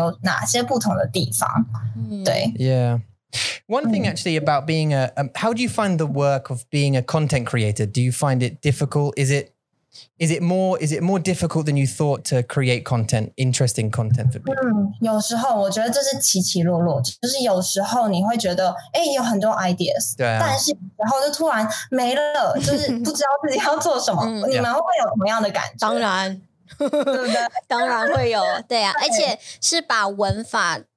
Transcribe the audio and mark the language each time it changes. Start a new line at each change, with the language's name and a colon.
Chinese: 这样子，他们可以发现其中的一些逻辑，然后跟英文可能有哪些不同的地方。对，Yeah.
English: One thing actually about being a, how do you find the work of being a content creator? Do you find it difficult? Is it more difficult than you thought to create content, interesting content for people?
Chinese: 有时候我觉得这是起起落落，就是有时候你会觉得，哎，有很多 ideas，但是然后就突然没了，就是不知道自己要做什么。你们会有什么样的感觉？当然会有，对啊，而且是把文法。